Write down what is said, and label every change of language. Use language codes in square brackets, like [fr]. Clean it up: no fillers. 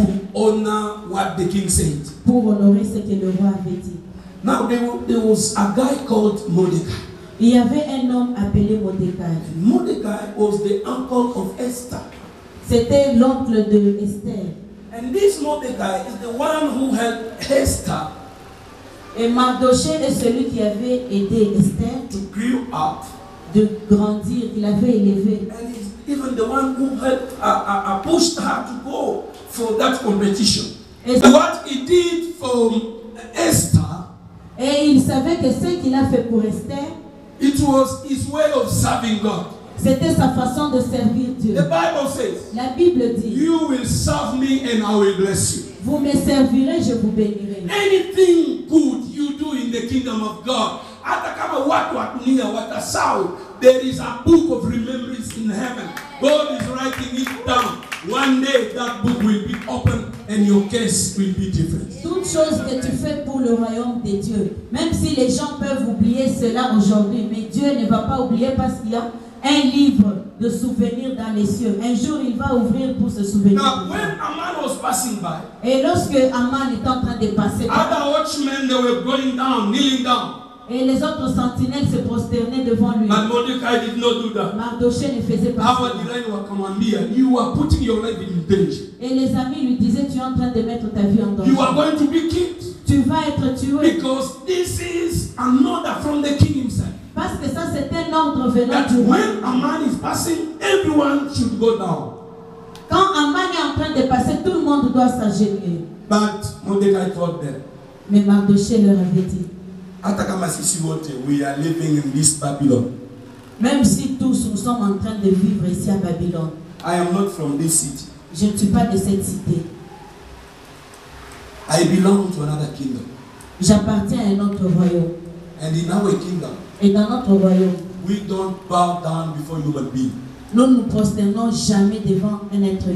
[en] To honor what the king said. [fr] Pour honorer ce que le roi avait dit. [en] Now there was a guy called Mordecai. [fr] Il y avait un homme appelé Mordecai. [en] Mordecai was the uncle of Esther. [fr] C'était l'oncle de Esther. [en] And this Mordecai is the one who helped Esther. [fr] Et Mardochée est celui qui avait aidé Esther. [en] To grow up. [fr] De grandir, il avait élevé. [en] And he's even the one who helped, pushed her to go for that competition. Et what he did for Esther. [fr] Et il savait que ce qu'il a fait pour Esther. [en] It was his way of serving God. [fr] C'était sa façon de servir Dieu. [en] The Bible says, [fr] la Bible dit, [en] you will serve me and I will bless you. [fr] Vous me servirez, je vous bénirai. [en] Anything good you do in the kingdom of God, [sw] hata kama watu wa dunia watasahau, [en] there is a book of remembrance in heaven. God is writing it down. One day that book will be opened and your case will be different. [fr] Toute chose que tu fais pour le royaume de Dieu, même si les gens peuvent oublier cela aujourd'hui, mais Dieu ne va pas oublier parce qu'il y a un livre de souvenirs dans les cieux. Un jour, il va ouvrir pour se souvenir. [en] Now, when Aman was passing by, [fr] et lorsque Aman est en train de passer, [en] other watchmen they were going down, kneeling down. [fr] Et les autres sentinelles se prosternaient devant lui. [en] But Mordecai did not do that. [fr] Mardoché ne faisait pas. [en] Our divine were commanding, you are putting your life in danger. [fr] Et les amis lui disaient, tu es en train de mettre ta vie en danger. [en] You are going to be killed. [fr] Tu vas être tué. [en] Because this is an order from the king himself. [fr] Parce que ça, c'est un ordre venant du roi. [en] When a man is passing, everyone should go down. [fr] Quand un man est en train de passer, tout le monde doit s'agenouiller. [en] But Mordecai told them. [fr] Mais Mardoché leur avait dit. [en] We are living in this Babylon. [fr] Même si tous nous sommes en train de vivre ici à Babylon. [en] I am not from this city. [fr] Je ne suis pas de cette cité. [en] I belong to another kingdom. [fr] J'appartiens à un autre royaume. [en] And in our kingdom. [fr] Et dans notre royaume. [en] We don't bow down before human beings. [fr] Nous ne nous prosternons jamais devant un être humain.